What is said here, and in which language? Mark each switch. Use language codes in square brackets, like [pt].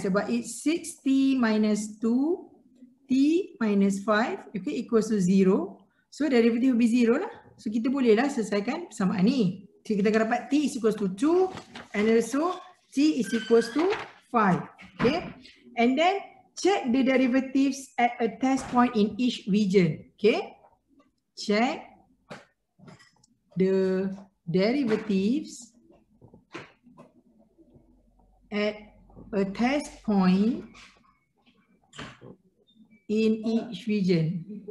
[en] Sebab it's 60 minus 2 t minus 5, okay, equals to 0. So derivative will be 0 lah. [ms] So kita boleh lah selesaikan sama ni. [en] So [ms] kita akan dapat [en] t is equals to 2 and also t is equals to 5. Okay, and then check the derivatives at a test point in each region. Okay, check the derivatives at a test point in each region.